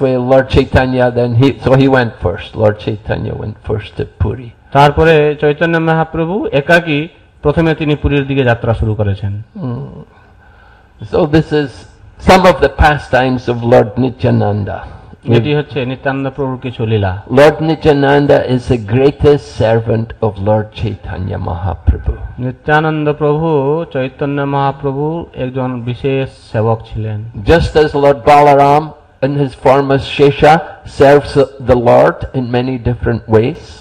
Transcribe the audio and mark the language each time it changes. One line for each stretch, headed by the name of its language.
English: way Lord Chaitanya he went first. Lord Chaitanya went first to Puri.
Bangla: তারপরে চৈতন্য মহাপ্রভু একাকি প্রথমে তিনি পুরীর দিকে যাত্রা শুরু করেছেন
English: So this is some of the pastimes of Lord Nityananda.
Bangla: এটি হচ্ছে নিত্যানন্দ প্রভুর কিছু লীলা
English: Lord Nityananda is the greatest servant of Lord Chaitanya Mahaprabhu
Bangla: Nityananda প্রভু চৈতন্য মহাপ্রভু একজন বিশেষ সেবক ছিলেন
English: just as Lord Balarama in his form as Shesha serves the Lord in many different ways